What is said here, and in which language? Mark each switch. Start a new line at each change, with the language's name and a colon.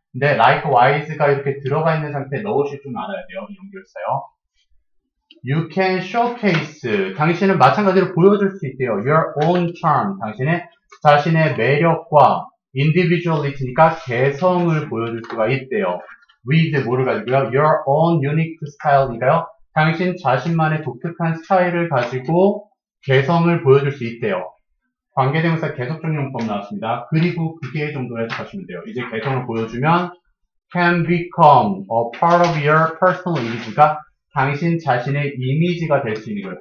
Korean: 근데 likewise가 이렇게 들어가 있는 상태에 넣으실 줄 알아야 돼요. 연결사요.
English: You can showcase.
Korean: 당신은 마찬가지로 보여줄 수 있대요.
English: Your own charm.
Korean: 당신의 자신의 매력과 individuality니까 개성을 보여줄 수가 있대요. With 뭐를 가지고요?
English: Your own unique style니까요.
Korean: 당신 자신만의 독특한 스타일을 가지고 개성을 보여줄 수 있대요. 관계대명사 계속적 용법 나왔습니다. 그리고 그게 정도로 해석하시면 돼요. 이제 개성을 보여주면
English: can become a part of your personal image
Korean: 가 당신 자신의 이미지가 될수 있는 거예요.